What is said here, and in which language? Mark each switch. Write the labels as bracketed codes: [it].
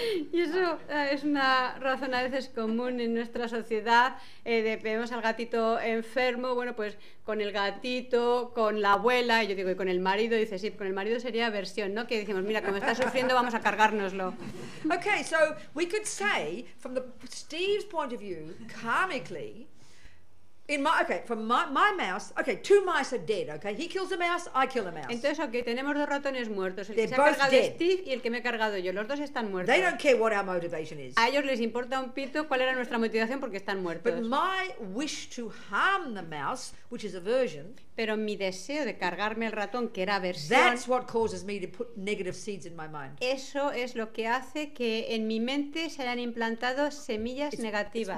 [es] Y eso es una razón a veces común en nuestra sociedad, vemos al gatito enfermo, bueno, pues con el gatito, con la abuela, y yo digo, y con el marido, dice, sí, con el marido sería aversión, ¿no? Que decimos, mira, como está sufriendo, vamos a cargárnoslo. [en] Okay, so we could say, from the Steve's point of view, karmically, from my mouse, two mice are dead, okay? He kills a mouse, I kill a mouse. [es] Entonces, okay, tenemos dos ratones muertos, el [en] They're [es] que se ha cargado [en] dead. [es] Steve y el que me he cargado yo. Los dos están muertos. [en] They don't care what our motivation is. [es] A ellos les importa un pito cuál era nuestra motivación porque están muertos. [en] But my wish to harm the mouse, which is aversion, [es] pero mi deseo de cargarme el ratón, que era aversión, [en] that's what causes me to put negative seeds in my mind. [es] Eso es lo que hace que en mi mente se hayan implantado semillas negativas.